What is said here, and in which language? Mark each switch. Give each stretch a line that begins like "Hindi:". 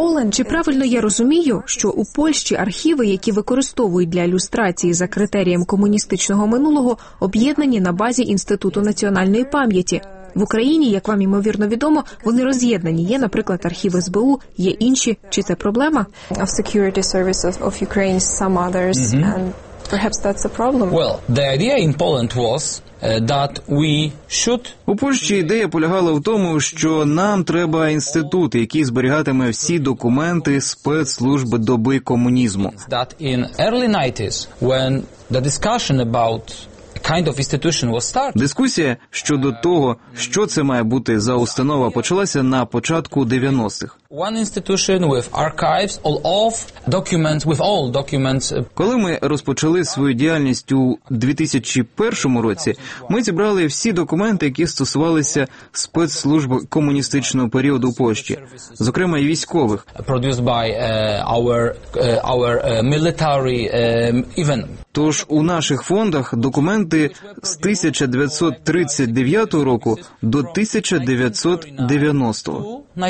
Ukrainian: Чи правильно я розумію, що у Польщі архіви, які використовують для люстрації за критерієм комуністичного минулого, об'єднані на базі Інституту національної пам'яті? В Україні, як вам імовірно відомо, вони роз'єднані. Є, наприклад, архіви СБУ, є інші. Чи це проблема?
English: Of security services of Ukraine, some others, and perhaps that's a problem. Well, the idea in Poland was that we should.
Ukrainian: У Польщі ідея полягала в тому, що нам треба інститут, який зберігатиме всі документи спецслужби доби комунізму.
English: That in early 90s, when the discussion about kind of institution was started.
Ukrainian: Дискусія щодо того, що це має бути за установа, почалася на початку 90-х.
English: One institution with archives, all of documents, with all documents.
Ukrainian: Коли ми розпочали свою діяльність у 2001 році, ми зібрали всі документи, які стосувалися спецслужб комуністичного періоду Польщі, зокрема і військових.
English: Produced by our military event.
Ukrainian: Тож у наших фондах документи з 1939 року до 1990.